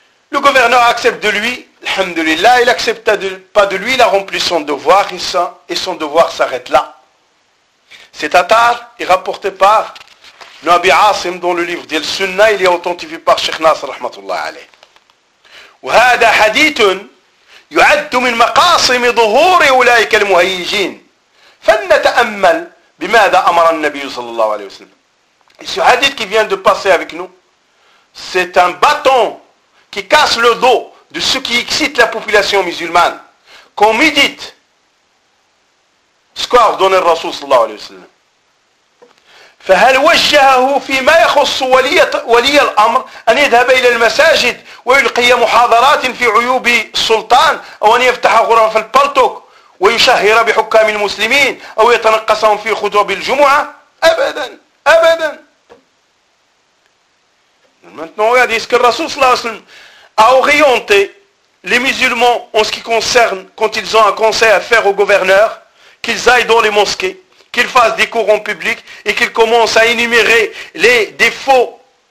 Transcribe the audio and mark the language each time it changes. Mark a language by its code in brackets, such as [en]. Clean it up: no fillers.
[fr] Le gouverneur accepte de lui, alhamdulillah, il accepte pas de lui, il a rempli son devoir, et son devoir s'arrête là. Cet attar est rapporté par Nabi Asim dans le livre d'El Sunnah, il est authentifié par Cheikh Nasr rahmatullah alayh. [ar] وهذا حديث يعد من مقاصم ظهور أولئك المهيجين فلنتأمل بماذا أمر النبي صلى الله عليه وسلم. [fr] Et ce hadith qui vient de passer avec nous, c'est un bâton qui casse le dos de ceux qui excitent la population musulmane. Qu'on médite ce qu'a ordonné le Rasoul sallallahu alayhi wa sallam. [ar] فهل وجهه فيما يخص ولي الأمر أن يذهب إلى المساجد ويلقي محاضرات في عيوب السلطان أو أن يفتح غرف البلطوك ويشهر بحكام المسلمين أو يتنقصهم في خطب الجمعة؟ أبدا. [fr] Maintenant, regardez, est-ce que le Rasoul sallallahu alayhi wa sallam a orienté les musulmans en ce qui concerne, quand ils ont un conseil à faire au gouverneur, qu'ils aillent dans les mosquées, qu'ils fassent des cours en public et qu'ils commencent à énumérer les défauts